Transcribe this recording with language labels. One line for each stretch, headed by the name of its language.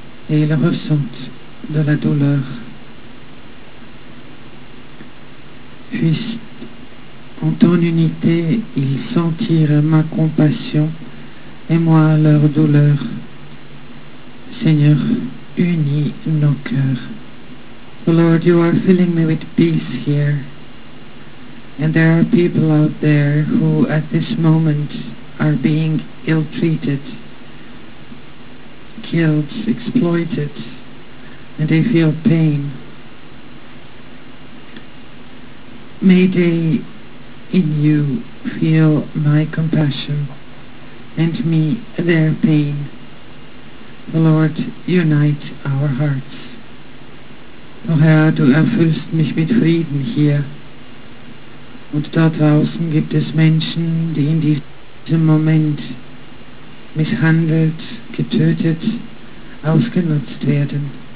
French: Et ils ressentent de la douleur. Puisse, en ton unité, ils sentirent ma compassion et moi leur douleur. Seigneur, unis nos cœurs.
English: The Lord, you are filling me with peace here. And there are people out there who at this moment are being ill-treated, killed, exploited, and they feel pain. May they in you feel my compassion and me their pain. The Lord, unite our hearts.
German: O Herr, du erfüllst mich mit Frieden hier. Und da draußen gibt es Menschen, die in diesem Moment misshandelt, getötet, ausgenutzt werden.